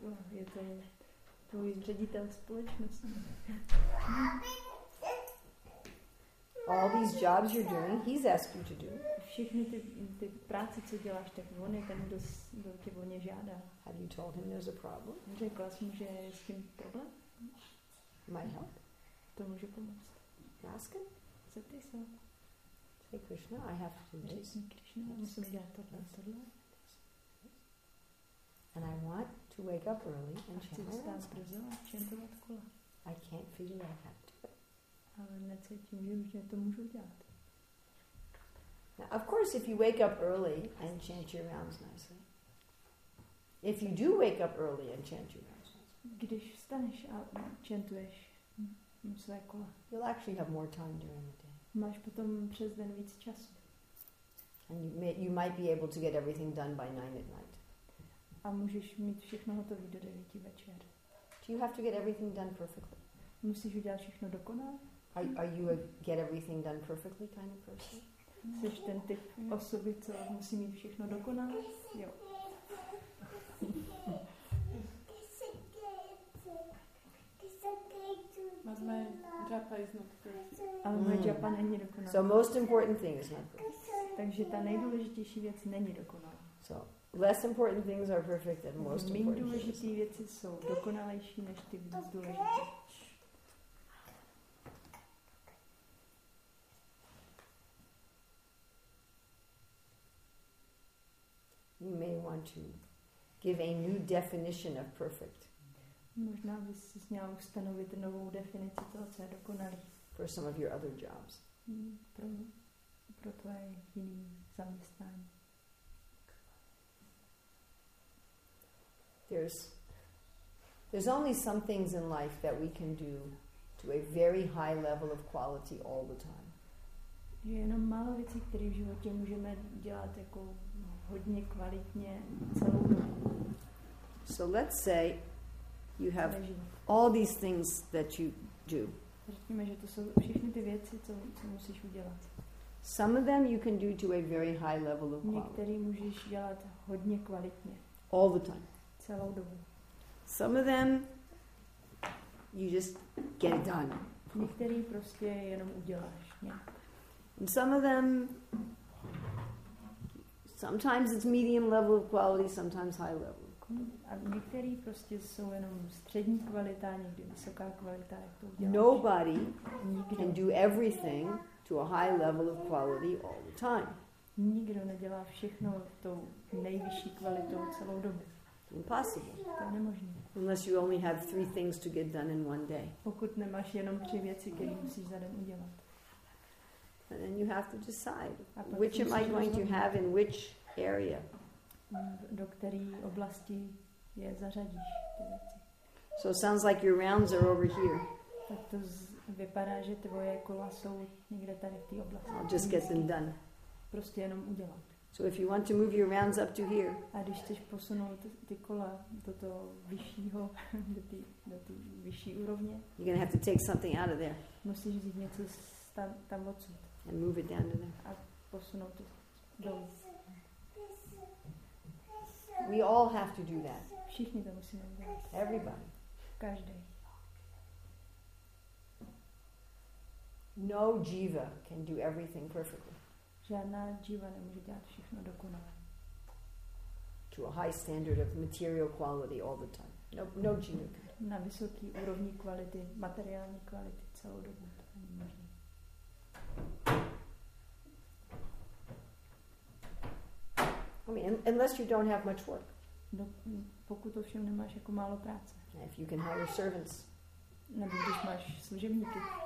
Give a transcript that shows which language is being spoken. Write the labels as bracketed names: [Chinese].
[Czech] Je to tvůj ředitel společnosti. [English] All these jobs you're doing, he's asked you to do. [Czech] Všechny ty práce, co děláš, tak on je ten, kdo tě o ně žádá. [English] Have you told him there's a problem? [Czech] Řekla jsem, že je s tím problém. [English] Might help. [Czech] To může pomoct. [English] Ask him. [Czech] Co ty jsi? [English] Hey Krishna, I have to do this. [Czech] Krishna, musím dělat tohle. [English] And I want to wake up early and chant. I can't feel like I have to. [Czech] Ale necítím, že už to můžu dělat. [English] Now, of course, if you wake up early and chant your rounds nicely. If you do wake up early and chant your rounds nicely. [Czech] Když vstaneš a chantuješ své kola. [English] You'll actually have more time during the day. [Czech] Máš potom přes den víc času. [English] And you might be able to get everything done by 9 at night. [Czech] A můžeš mít všechno hotové do 9 večer. [English] Do you have to get everything done perfectly? [Czech] Musíš udělat všechno dokonale? [English] Are you a get everything done perfectly kind of person? [Czech] Jsi ten typ osoby, co musí mít všechno dokonale? Jo. [English] But my japa is not perfect. Mm. So most important thing is not perfect. [Czech] Takže ta nejdůležitější věc není dokonalá. [English] So less important things are perfect than most important things. [Czech] Důležitý věci jsou dokonalejší než ty důležitější. [English] You may want to give a new definition of perfect. [Czech] Možná bys si měl ustanovit novou definici toho, co je dokonalý. [English] For some of your other jobs. [Czech] Pro tvoje jiné zaměstnání. [English] There's only some things in life that we can do to a very high level of quality all the time. [Czech] Je jenom málo věcí, které v životě můžeme dělat jako hodně kvalitně celou dobu. [English] So let's say you have all these things that you do. [Czech] Řekněme, že to jsou všechny ty věci, co musíš udělat. [English] Some of them you can do to a very high level of quality. [Czech] Některé můžeš dělat hodně kvalitně. [English] All the time. [Czech] Celou dobu. [English] Some of them you just get it done. [Czech] Některé prostě jenom uděláš. [English] And some of them sometimes it's medium level of quality, sometimes high level. [Czech] A některé prostě jsou jenom střední kvalita, někdy vysoká kvalita, jak to uděláš. [English] Nobody can do everything to a high level of quality all the time. [Czech] Nikdo nedělá všechno tou nejvyšší kvalitou celou dobu. [English] Impossible. [Czech] To je nemožné. [English] Unless you only have 3 things to get done in one day. [Czech] Pokud nemáš jenom 3 věci, které musíš za den udělat. [English] And then you have to decide which am I going to have in which area. [Czech] Do které oblasti je zařadíš ty věci. [English] So it sounds like your rounds are over here. [Czech] Tak to vypadá, že tvoje kola jsou někde tady v té oblasti. [English] I'll just get them done. [Czech] Prostě jenom udělat. [English] So if you want to move your rounds up to here. [Czech] A když chceš posunout ty kola do toho vyššího, do té vyšší úrovně. [English] You're going to have to take something out of there. [Czech] Musíš vzít něco tam odsud. [English] And move it down to there. [Czech] A posunout to dolů. [English] We all have to do that. [Czech] Všichni to musíme dělat. [English] Everybody. [Czech] Každý. [English] No jiva can do everything perfectly. [Czech] Žádná jiva nemůže dělat všechno dokonale. [English] to a high standard of material quality all the time. [Czech] No, no jinu. Na vysoký úrovni kvality, materiální kvality celou dobu. [English] I mean, unless you don't have much work. [Czech] No, pokud ovšem nemáš jako málo práce. [English] Yeah, if you can hire servants. [Czech] Nebo když máš služebníky.